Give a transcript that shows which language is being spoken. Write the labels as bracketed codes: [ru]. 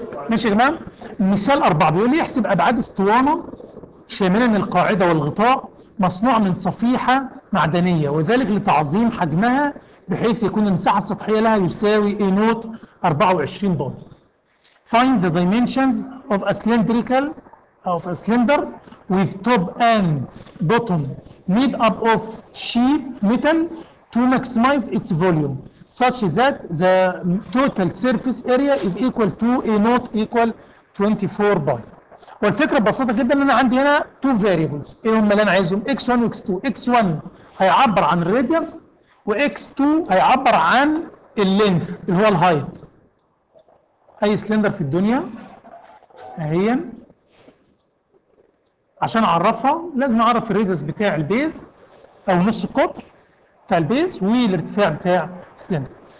[ar] ماشي يا جماعه. مثال 4 بيقول لي احسب ابعاد اسطوانه شامله القاعده والغطاء مصنوعه من صفيحه معدنيه، وذلك لتعظيم حجمها بحيث يكون المساحه السطحيه لها يساوي A نوت 24 بوند. [en] Find the dimensions of a cylindrical of a cylinder with top and bottom made up of sheet metal to maximize its volume such that the total surface area is equal to A naught equal 24 pound. [ar] والفكره ببساطه جدا ان انا عندي هنا تو فاريبلز. ايه هم اللي انا عايزهم؟ X1 و X2. X1 هيعبر عن الراديوس، و X2 هيعبر عن اللينث اللي هو الهايت. اي سلندر في الدنيا اهي عشان اعرفها لازم اعرف الريدس بتاع البيز او نص القطر بتاع البيز والارتفاع بتاع السلندر.